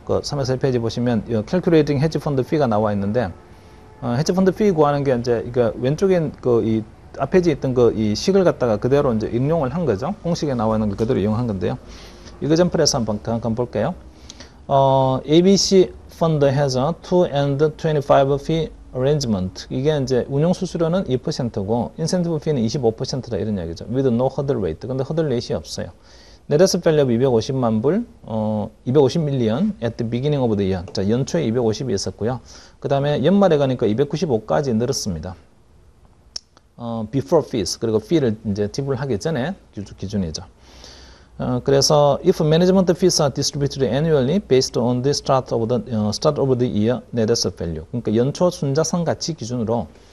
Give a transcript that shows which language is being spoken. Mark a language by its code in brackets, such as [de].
[ko] 340페이지 보시면, Calculating Hedge Fund Fee가 나와 있는데, Hedge Fund Fee 구하는 게 이제, 왼쪽에 앞에 있던 이 식을 갖다가 그대로 이제 응용을 한 거죠. 공식에 나와 있는 걸 그대로 이용한 건데요. 이그점플에서 한번 볼게요. [en] ABC Fund has a 2 and 25 fee arrangement. [ko] 이게 이제 운용 수수료는 2%고 인센티브 피는 25%다, 이런 이야기죠. [en] With no hurdle rate. [ko] 근데 hurdle rate이 없어요. [en] Net asset value 250만 불, 250 million at the beginning of the year. [ko] 자, 연초에 250이 있었고요. 그다음에 연말에 가니까 295까지 늘었습니다. [en] Before fees. [ko] 그리고 fee를 이제 지불하기 전에 기준이죠. [en] 그래서 if management fees are distributed annually based on the start of the year net asset value. [ko] 그러니까 연초 순자산 가치 기준으로